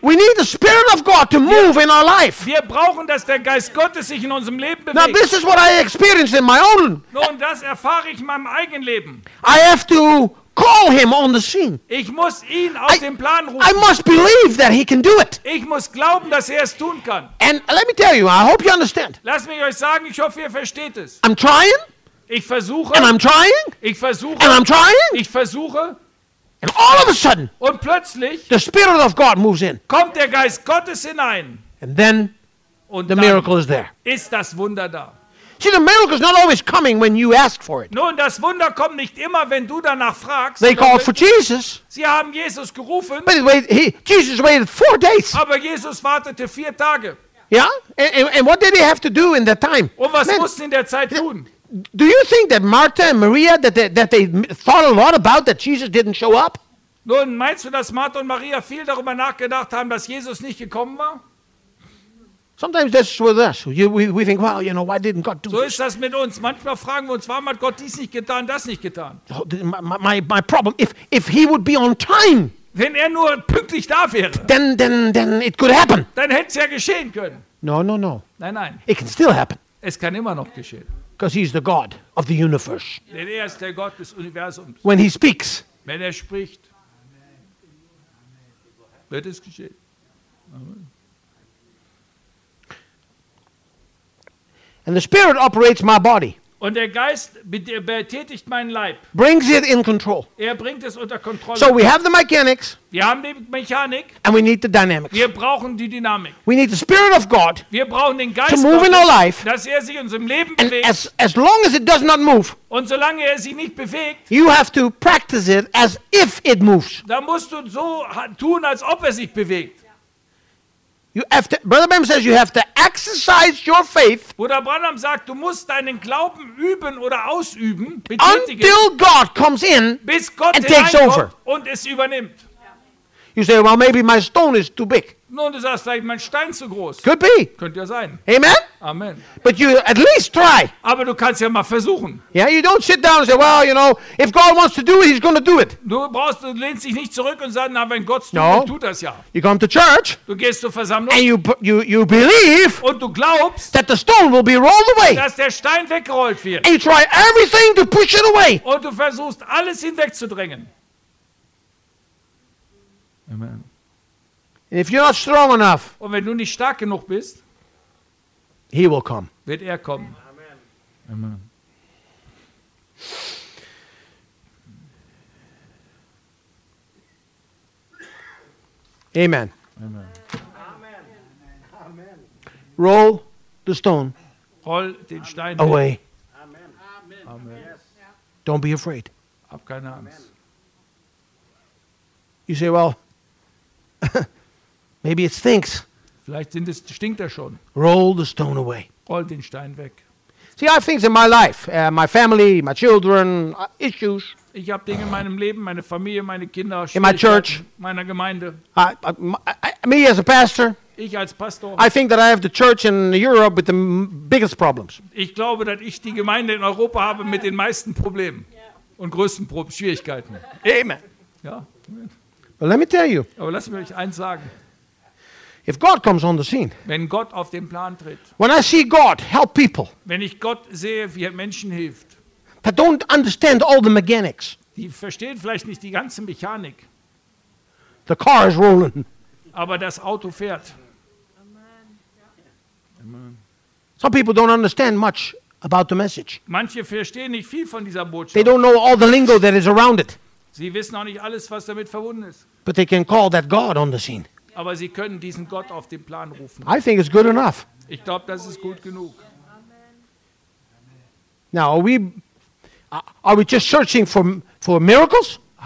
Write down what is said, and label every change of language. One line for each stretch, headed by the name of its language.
English: We need the spirit of God to move in our life.
German: Wir brauchen, dass der Geist Gottes sich in unserem Leben bewegt.
English: Now this is what I experienced in my own.
German: Nun, das erfahre ich in meinem eigenen Leben.
English: I have to call him on the scene.
German: Ich muss ihn auf den Plan rufen.
English: I must believe that he can do it.
German: Ich muss glauben, dass er es tun kann.
English: And let me tell you, I hope you understand.
German: Lass mich euch sagen, ich hoffe, ihr versteht es.
English: I'm trying.
German: Ich versuche.
English: And I'm trying.
German: Ich versuche.
English: And I'm trying.
German: Ich versuche.
English: And all of a sudden.
German: Und plötzlich.
English: The spirit of God moves in.
German: Kommt der Geist Gottes hinein.
English: And then.
German: Und
English: the miracle is there.
German: Ist das Wunder da.
English: See, the miracle is not always coming when you ask for it.
German: Nun, das Wunder kommt nicht immer, wenn du danach fragst.
English: They called for Jesus.
German: Sie haben Jesus gerufen.
English: But Jesus waited 4 days.
German: Aber Jesus wartete 4 Tage.
English: Yeah. And what did he have to do in that time?
German: Und was mussten in der Zeit tun?
English: Do you think that Martha and Maria that they thought a lot about that Jesus didn't show up?
German: Nun, meinst du, dass Martha und Maria viel darüber nachgedacht haben, dass Jesus nicht gekommen war?
English: Sometimes that's with us. We think, well, you know, why didn't God do so this?
German: So ist das mit uns. Manchmal fragen wir uns, warum hat Gott dies nicht getan, das nicht getan?
English: Oh, my problem. If he would be on time.
German: Wenn er nur pünktlich da wäre.
English: Then it could happen.
German: Dann hätte es ja geschehen können.
English: No.
German: Nein, nein.
English: It can still happen.
German: Es kann immer noch geschehen.
English: Because he is the God of the universe.
German: Denn er ist der Gott des Universums.
English: When he speaks.
German: Wenn er spricht. Wird es geschehen.
English: Amen. And the spirit operates my body.
German: Und der Geist betätigt meinen Leib.
English: Brings it in control.
German: Er bringt es unter Kontrolle.
English: So we have the mechanics.
German: Wir haben die Mechanik.
English: And we need the dynamics.
German: Wir brauchen die Dynamik.
English: We need the spirit of God.
German: Wir brauchen den Geist
English: to move
German: Gottes,
English: in our life.
German: Dass er sich in unserem Leben
English: and
German: bewegt.
English: As long as it does not move.
German: Und solange er sich nicht bewegt.
English: You have to practice it as if it moves.
German: Da musst du so tun, als ob er sich bewegt.
English: You have to, Brother Branham says you have to exercise your faith.
German: Bruder Branham sagt, du musst deinen Glauben üben oder ausüben, betätigen.
English: Until God comes in
German: bis Gott
English: and takes over.
German: Und es übernimmt.
English: You say, well, maybe my stone is too big.
German: Nun, du sagst, vielleicht mein Stein zu groß.
English: Could be.
German: Könnte ja sein.
English: Amen. Amen. But you at least try.
German: Aber du kannst ja mal versuchen.
English: Yeah, you don't sit down and say, well, you know, if God wants to do it, he's going to do it.
German: Du lehnst dich nicht zurück und sagst, na, wenn Gott es
English: no.
German: tut, tut das ja.
English: You come to church.
German: Du gehst zur Versammlung.
English: And you believe.
German: Und du glaubst.
English: That the stone will be rolled away.
German: Dass der Stein weggerollt wird.
English: And you try everything to push it away.
German: Und du versuchst, alles hinwegzudrängen.
English: Amen. If you're not strong enough,
German: und wenn du nicht stark genug bist,
English: he will come.
German: Wird er kommen.
English: Amen. Amen. Amen. Amen. Amen. Roll the stone.
German: Roll den Stein
English: away. Amen. Amen. Amen. Yes. Don't be afraid.
German: Hab keine Angst.
English: You say, well. Maybe it stinks.
German: Vielleicht stinkt er schon.
English: Roll the stone away.
German: Roll den Stein weg.
English: See, I have things in my life, my family, my children, issues.
German: Ich habe Dinge in meinem Leben, meine Familie, meine Kinder,
English: in my church,
German: meiner Gemeinde.
English: Me as a pastor.
German: Ich als Pastor.
English: I think that I have the church in Europe with the biggest problems.
German: Ich glaube, dass ich die Gemeinde in Europa habe mit den meisten Problemen und größten Schwierigkeiten.
English: Amen.
German: Ja.
English: Well, let me tell you.
German: Aber lass mich euch eins sagen.
English: If God comes on the scene,
German: wenn Gott auf den Plan tritt,
English: when I see God help people,
German: wenn ich Gott sehe, wie er Menschen hilft,
English: they don't understand all the mechanics.
German: Die verstehen vielleicht nicht die ganze Mechanik.
English: The car is rolling.
German: Aber das Auto fährt.
English: Amen. Some people don't understand much about the message.
German: Manche verstehen nicht viel von dieser Botschaft.
English: They don't know all the lingo that is around it.
German: Sie wissen auch nicht alles, was damit verbunden ist.
English: But they can call that God on the scene.
German: Aber sie können diesen Gott auf den Plan rufen.
English: I think it's good enough.
German: Ich glaube, das ist gut genug.
English: Now, are we just searching for miracles?